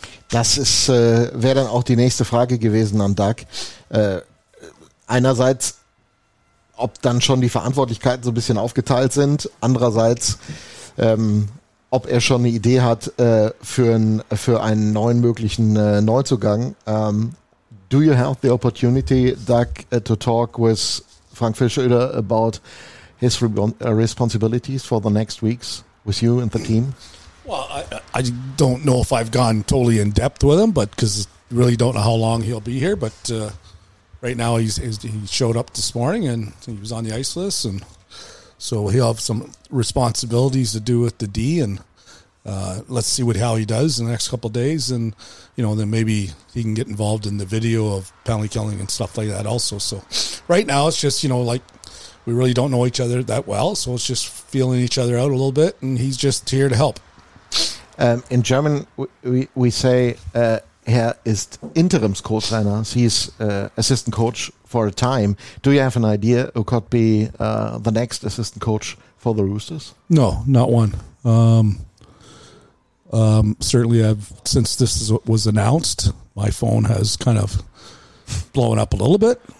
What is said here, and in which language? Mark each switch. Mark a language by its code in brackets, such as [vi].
[de] Das ist wäre dann auch die nächste Frage gewesen an Doug. Einerseits, ob dann schon die Verantwortlichkeiten so ein bisschen aufgeteilt sind. Andererseits, ob er schon eine Idee hat für einen neuen möglichen Neuzugang. [en] Do you have the opportunity, Doug, to talk with Frank Fischer about his responsibilities for the next weeks with you and the team? Well, I don't know if I've gone totally in depth with him, but because really don't know how long he'll be here. But right now he showed up this morning and he was on the ice list, and so he'll have some responsibilities to do with the D, and let's see how he does in the next couple of days, and you know, then maybe he can get involved in the video of penalty killing and stuff like that also. So right now it's just, you know, like, we really don't know each other that well, so it's just feeling each other out a little bit, and he's just here to help. In German, we say [de] Herr ist Interimscoach-Trainer. [en] He's assistant coach for a time. Do you have an idea who could be the next assistant coach for the Roosters? No, not one. Certainly, since this was announced, my phone has kind of blown up a little bit.